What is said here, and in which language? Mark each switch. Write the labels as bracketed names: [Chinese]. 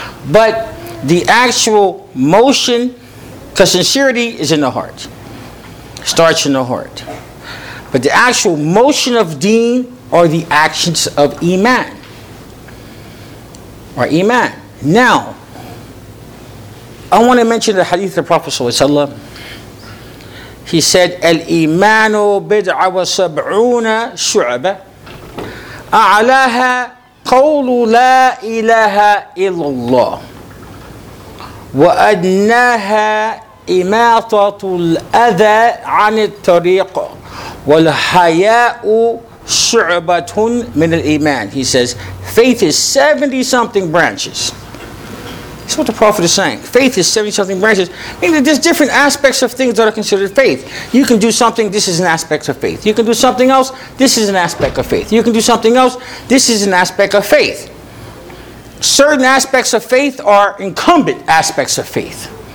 [English] But the actual motion, because sincerity is in the heart, starts in the heart. But the actual motion of deen are the actions of iman. Or iman. Now, I want to mention the hadith of the Prophet sallallahu alaihi wasallam. He said, [Arabic] الإيمان بدع وسبعون شعبة أعلاها قول لا إله إلا الله وأدناها إماطة الأذى عن الطريق والحياء شعبة من الإيمان. [English] He says, faith is 70 something branches. That's what the Prophet is saying. Faith is 70-something branches. Meaning that there's different aspects of things that are considered faith. You can do something, this is an aspect of faith. You can do something else, this is an aspect of faith. You can do something else, this is an aspect of faith. Certain aspects of faith are incumbent aspects of faith.